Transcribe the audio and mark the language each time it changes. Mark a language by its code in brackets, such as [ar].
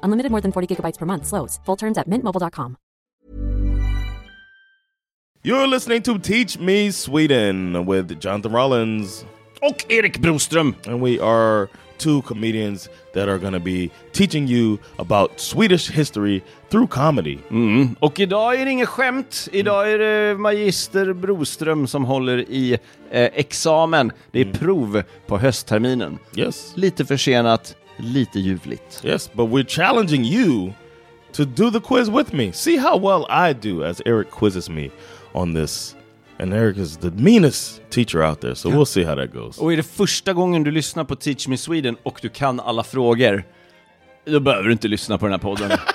[en] Unlimited more than 40 gigabytes per month slows. Full terms at mintmobile.com. You're listening to Teach Me Sweden with Jonathan Rollins. [sv] Och Erik Broström. [en] And we are two comedians that are going to be teaching you about Swedish history through comedy. Mm. [sv] Och idag är det inget skämt. Idag är det magister Broström som håller i examen. Det är prov på höstterminen. [en] Yes. [sv] Lite försenat, lite ljuvligt. [en] Yes, but we're challenging you to do the quiz with me. See how well I do as Eric quizzes me on this, and Eric is the meanest teacher out there, so yeah. We'll see how that goes. [sv] Och är det första gången du lyssnar på Teach Me Sweden och du kan alla frågor, då behöver du inte lyssna på den här podden.